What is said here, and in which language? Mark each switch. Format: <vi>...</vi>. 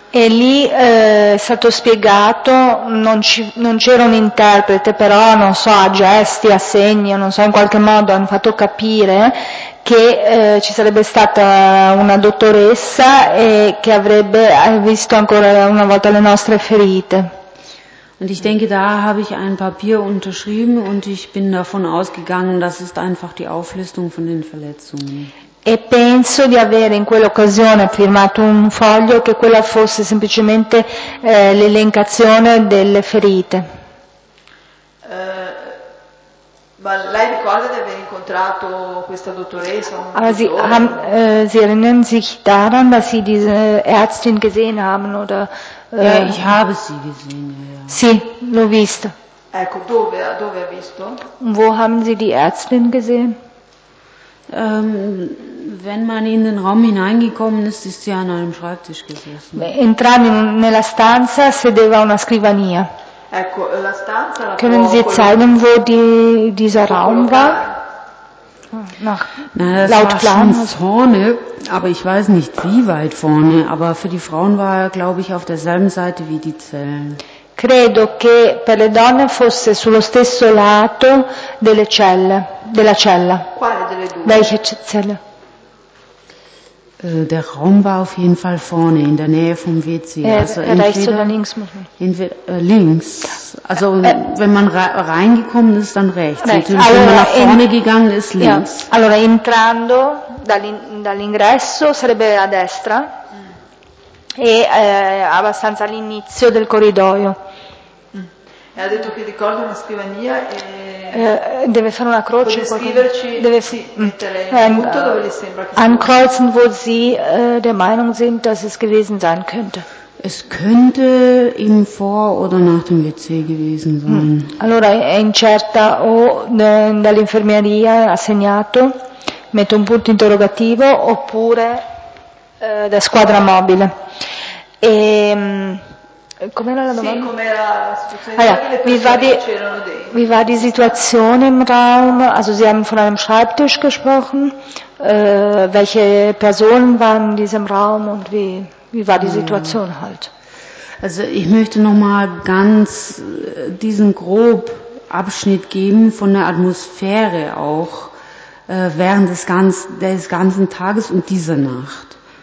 <it>E lì è stato spiegato, non c'era un interprete, però non so, a gesti, a segni, non so, in qualche modo hanno fatto capire che ci sarebbe stata una dottoressa e che avrebbe visto ancora una volta le nostre ferite.</it> <de>Und ich denke, da habe ich ein Papier unterschrieben und ich bin davon ausgegangen, das ist einfach die Auflistung von den Verletzungen.</de> <it>E penso di avere in quell'occasione firmato un foglio che quella fosse semplicemente l'elencazione delle ferite. Ma lei ricorda di aver incontrato questa dottoressa?</it> <de>Sie erinnern sich daran, dass Sie diese Ärztin gesehen haben? Oder, ich habe sie gesehen, ja.</de> <it>Sì, l'ho vista. Ecco, dove ha visto?</it> <de>Wo haben Sie die Ärztin gesehen? Wenn man in den Raum hineingekommen ist, ist sie an einem Schreibtisch gesessen.</de> <it>Entrando nella stanza sedeva una scrivania. Ecco, la stanza la</it> <de>Können Sie zeigen, wo dieser Raum war? Laut Plan. Das war schon vorne, aber ich weiß nicht, wie weit vorne. Aber für die Frauen war er, glaube ich, auf derselben Seite wie die Zellen.</de> <it>Credo che per le donne fosse sullo stesso lato delle celle, della cella. Quale delle due?</it> <de>Welche Zelle? Der Raum war auf jeden Fall vorne, in der Nähe vom WC. Also rechts entweder, oder links? Muss man. Links. Also wenn man reingekommen ist, dann rechts. Natürlich, wenn man nach vorne gegangen ist, links. Ja.</de> <it>Allora, entrando dall'ingresso sarebbe a destra. E abbastanza all'inizio del corridoio. E ha detto che ricorda una scrivania e deve fare una croce. Deve scriverci. Deve mettere il punto dove le sembra che</it> <de>ankreuzen, wo sie der Meinung sind, dass es gewesen sein könnte. Es könnte eben vor oder nach dem WC gewesen sein.</de> <it>Allora è incerta o dall'infermeria assegnato, metto un punto interrogativo, oppure da squadra mobile. E com'era la domanda? Sì, com'era la situazione?</it> <de>Wie war die Situation im Raum? Also Sie haben von einem Schreibtisch gesprochen. Welche Personen waren in diesem Raum und wie war die Situation halt? Also ich möchte nochmal ganz diesen grob Abschnitt geben von der Atmosphäre auch während des ganzen Tages und dieser Nacht.</de>